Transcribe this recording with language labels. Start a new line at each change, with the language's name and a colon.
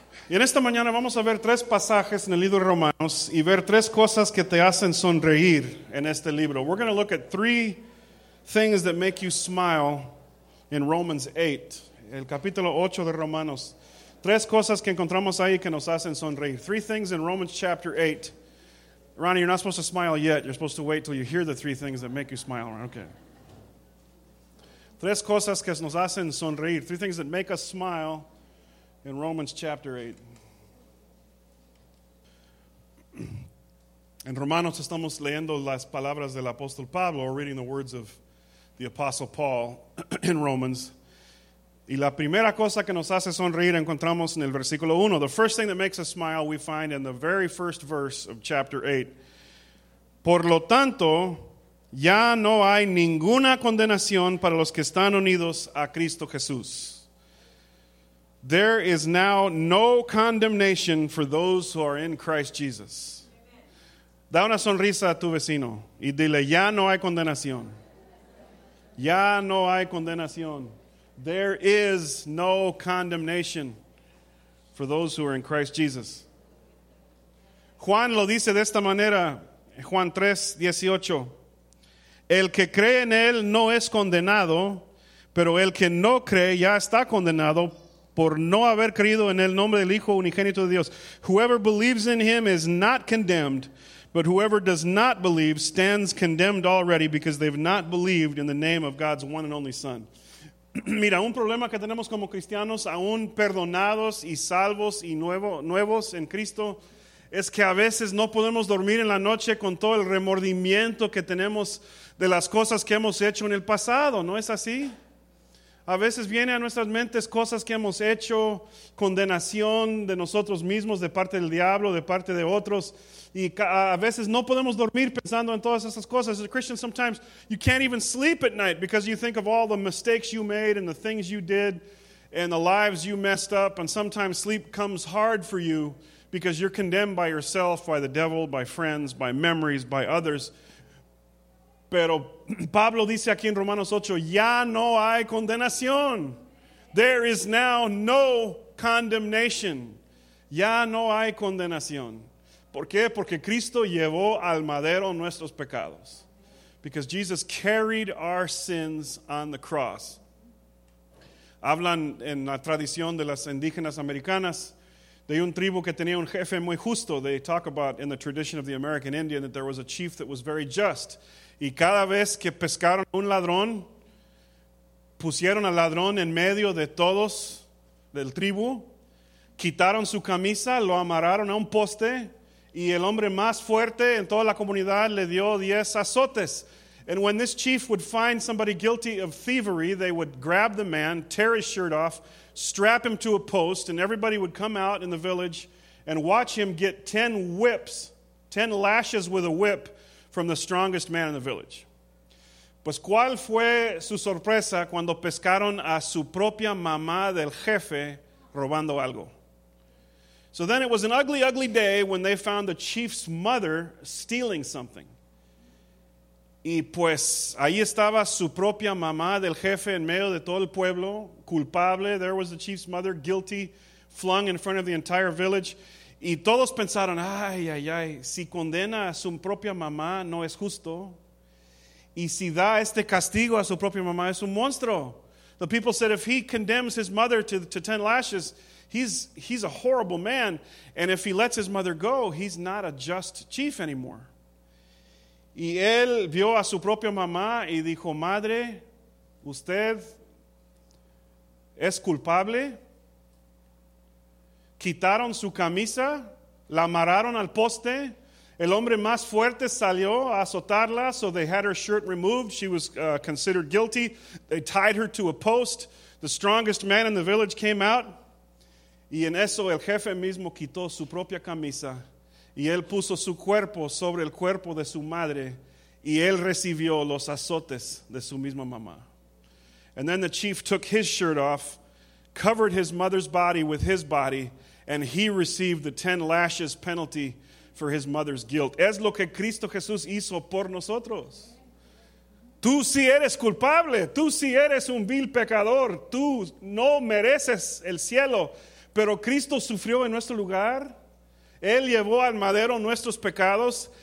Spanish: Y en esta mañana vamos a ver tres pasajes en el libro de Romanos y ver tres cosas que te hacen sonreír en este libro.
English: We're going to look at three things that make you smile in Romans 8,
Spanish: el capítulo 8 de Romanos. Tres cosas que encontramos ahí que nos hacen sonreír.
English: Three things in Romans chapter 8. Ronnie, you're not supposed to smile yet. You're supposed to wait till you hear the three things that make you smile. Okay.
Spanish: Tres cosas que nos hacen sonreír.
English: Three things that make us smile in Romans chapter 8.
Spanish: En Romanos estamos leyendo las palabras del apóstol Pablo,
English: or reading the words of the apostle Paul in Romans.
Spanish: Y la primera cosa que nos hace sonreír encontramos en el versículo 1.
English: The first thing that makes us smile we find in the very first verse of chapter 8.
Spanish: Por lo tanto, ya no hay ninguna condenación para los que están unidos a Cristo Jesús.
English: There is now no condemnation for those who are in Christ Jesus.
Spanish: Da una sonrisa a tu vecino y dile, ya no hay condenación. Ya no hay condenación.
English: There is no condemnation for those who are in Christ Jesus.
Spanish: Juan lo dice de esta manera, Juan 3:18. El que cree en él no es condenado, pero el que no cree ya está condenado por no haber creído en el nombre del Hijo unigénito de Dios.
English: Whoever believes in him is not condemned, but whoever does not believe stands condemned already because they've not believed in the name of God's one and only Son.
Spanish: Mira, un problema que tenemos como cristianos, aún perdonados y salvos y nuevos en Cristo, es que a veces no podemos dormir en la noche con todo el remordimiento que tenemos de las cosas que hemos hecho en el pasado, ¿no es así? A veces viene a nuestras mentes cosas que hemos hecho, condenación de nosotros mismos, de parte del diablo, de parte de otros. Y a veces no podemos dormir pensando en todas esas cosas.
English: As a Christian, sometimes you can't even sleep at night because you think of all the mistakes you made and the things you did and the lives you messed up. And sometimes sleep comes hard for you because you're condemned by yourself, by the devil, by friends, by memories, by others.
Spanish: Pero Pablo dice aquí en Romanos 8, ya no hay condenación.
English: There is now no condemnation.
Spanish: Ya no hay condenación. ¿Por qué? Porque Cristo llevó al madero nuestros pecados.
English: Because Jesus carried our sins on the cross.
Spanish: Hablan en la tradición de las indígenas americanas de un tribu que tenía un jefe muy justo.
English: They talk about in the tradition of the American Indian that there was a chief that was very just.
Spanish: Y cada vez que pescaron un ladrón, pusieron al ladrón en medio de todos del tribu, quitaron su camisa, lo amarraron a un poste, y el hombre más fuerte en toda la comunidad le dio 10 azotes.
English: And when this chief would find somebody guilty of thievery, they would grab the man, tear his shirt off, strap him to a post, and everybody would come out in the village and watch him get 10 whips, 10 lashes with a whip, from the strongest man in the village.
Spanish: Pues, ¿cuál fue su sorpresa cuando pescaron a su propia mamá del jefe robando algo?
English: So then it was an ugly, ugly day when they found the chief's mother stealing something.
Spanish: Y pues, ahí estaba su propia mamá del jefe en medio de todo el pueblo, culpable.
English: There was the chief's mother, guilty, flung in front of the entire village.
Spanish: Y todos pensaron, ay, ay, ay, si condena a su propia mamá, no es justo. Y si da este castigo a su propia mamá, es un monstruo.
English: The people said, if he condemns his mother to 10 lashes, he's a horrible man. And if he lets his mother go, he's not a just chief anymore.
Spanish: Y él vio a su propia mamá y dijo, madre, usted es culpable. Quitaron su camisa, la amarraron al poste. El hombre más fuerte salió a azotarla,
English: so they had her shirt removed. She was considered guilty. They tied her to a post. The strongest man in the village came out.
Spanish: Y en eso el jefe mismo quitó su propia camisa. Y él puso su cuerpo sobre el cuerpo de su madre. Y él recibió los azotes de su misma mamá.
English: And then the chief took his shirt off, covered his mother's body with his body, and he received the 10 lashes penalty for his mother's guilt.
Spanish: Es lo que Cristo Jesús hizo por nosotros. Tú sí eres culpable. Tú sí eres un vil pecador. Tú no mereces el cielo. Pero Cristo sufrió en nuestro lugar. Él llevó al madero nuestros pecados.